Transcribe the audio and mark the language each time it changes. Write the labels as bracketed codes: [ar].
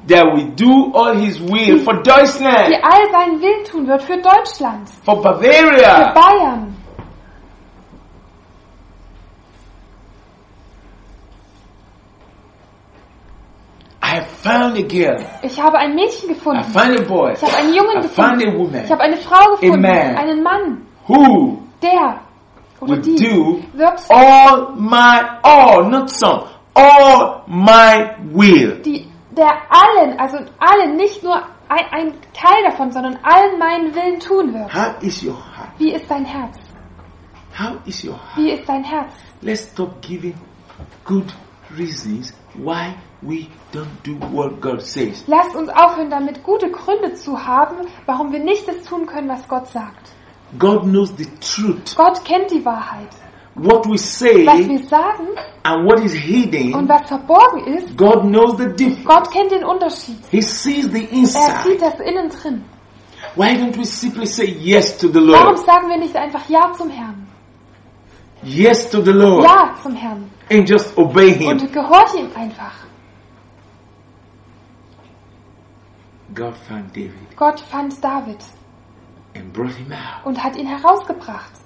[en] That will do all his will for Deutschland. [de] Die all seinen Willen tun wird für Deutschland. [en] For Bavaria. [de] Für Bayern. [en] I found a girl. [de] Ich habe ein Mädchen gefunden. [en] I found a boy. [de] Ich habe einen Jungen [en] I [de] gefunden. [en] Found a woman. [de] Ich habe eine Frau gefunden. [en] A man. [de] Einen Mann. [en] Who [de] der [en] will do all my all not some all my will? [de] Die der allen, also allen, nicht nur ein Teil davon, sondern allen meinen Willen tun wird. [en] How is your heart? [de] Wie ist dein Herz? [en] How is your heart? [de] Wie ist dein Herz? [en] Let's stop giving good reasons why we don't do what God says. [de] Lasst uns aufhören, damit gute Gründe zu haben, warum wir nicht das tun können, was Gott sagt. [en] God knows the truth. [de] Gott kennt die Wahrheit. [en] What we say, [de] was wir sagen, [en] and what is hidden, [de] und was verborgen ist, [en] God knows the difference. [de] Gott kennt den Unterschied. [en] He sees the inside. [de] Er sieht das innen drin. [en] Why don't we simply say yes to the Lord? [de] Warum sagen wir nicht einfach ja zum Herrn? [en] Yes to the Lord. [de] Ja zum Herrn. [en] And just obey him. [de] Und gehorch ihm einfach. [en] God found David. [de] Gott fand David. [en] And brought him out. [de] Und hat ihn herausgebracht.